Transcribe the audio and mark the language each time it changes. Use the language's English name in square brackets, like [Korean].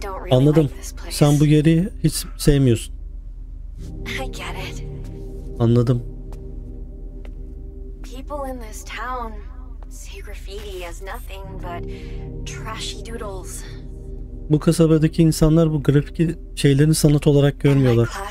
[Turkish] Anladım. Sen bu yeri hiç sevmiyorsun. Anladım. [English] People in this town see graffiti as nothing but trashy doodles. [Turkish] Bu kasabadaki insanlar bu grafiki şeylerini sanat olarak görmüyorlar.